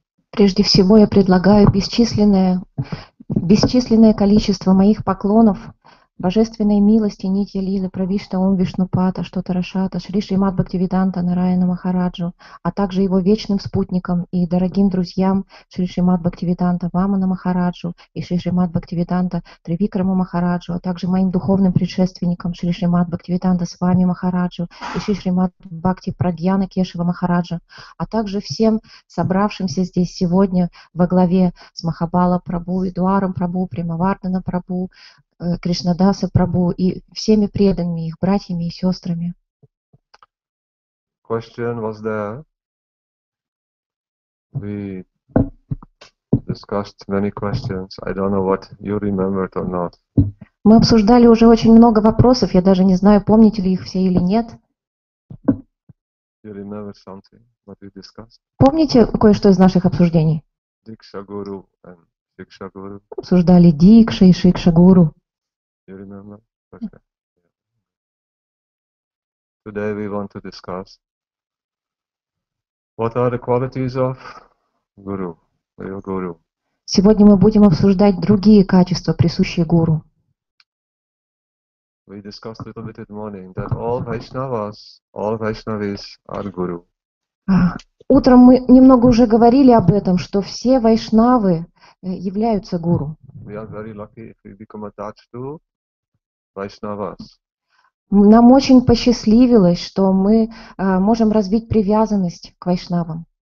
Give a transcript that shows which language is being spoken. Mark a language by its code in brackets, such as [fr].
[ru] Прежде всего я предлагаю бесчисленное количество моих поклонов Божественной милости Нитья Лилы, Правишта Ом Вишну Пата, Штота Рашата, Шри Шримад Бхактивиданта Нараяна Махараджу, а также его вечным спутникам и дорогим друзьям Шри Шримад Бхактивиданта Вамана Махараджу и Шри Шримад Бхактивиданта Тривикрама Махараджу, а также моим духовным предшественникам Шри Шримад Бхактивиданта Свами Махараджу и Шри Шримад Бхакти Прагьяна Кешева Махараджа, а также всем собравшимся здесь сегодня во главе с Махабала Прабу, Эдуаром Прабу, Примаварданом Прабу, Кришнадаса Прабху и всеми преданными их братьями и сестрами. [en] Question was there. We discussed many questions. I don't know what you remembered or not. [ru] Мы обсуждали уже очень много вопросов. Я даже не знаю, помните ли их все или нет. [en] You remember something that we discussed? [ru] Помните кое-что из наших обсуждений? Дикша Гуру и Шикша Гуру. Обсуждали Дикша и Шикша Гуру. [en] You remember? Okay. Today we want to discuss what are the qualities of guru, real guru. [ru] Сегодня мы будем обсуждать другие качества, присущие гуру. [en] We discussed a little bit this morning that all Vaishnavis are guru. [ru] Утром мы немного уже говорили об этом, что все вайшнавы являются гуру. [en] We are very lucky if we become attached to Vaishnavas. [ru] Нам очень посчастливилось, что мы можем развить привязанность к вайшнавам.